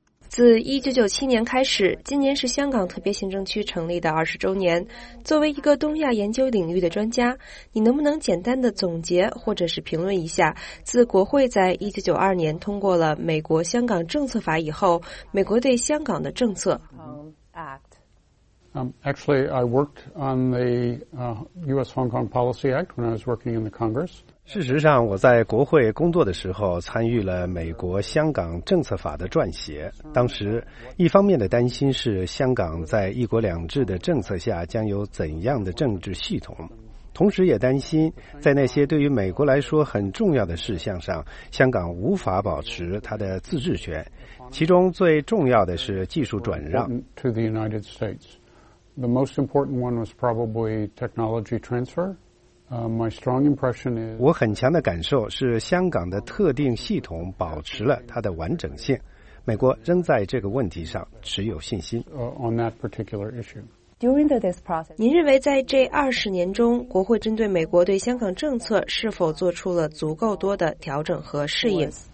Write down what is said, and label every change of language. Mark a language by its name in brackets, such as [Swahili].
[Chinese] 自1997年开始，今年是香港特别行政区成立的20周年。作为一个东亚研究领域的专家，你能不能简单的总结或者是评论一下，自国会在1992年通过了美国香港政策法以后，美国对香港的政策？ [English] Actually, I worked on the U.S. Hong Kong Policy Act when I was working in the Congress. [Chinese] 事实上，我在国会工作的时候参与了美国香港政策法的撰写。当时，一方面的担心是香港在一国两制的政策下将有怎样的政治系统，同时也担心在那些对于美国来说很重要的事项上，香港无法保持它的自治权。其中最重要的是技术转让。 [English] To the United States. The most important one was probably technology transfer. My strong impression is [Chinese] 我很强的感受是香港的特定系统保持了它的完整性，美国仍在这个问题上持有信心。 [English] On that particular issue, during this process, [Chinese] 您认为在这20年中，国会针对美国对香港政策是否做出了足够多的调整和适应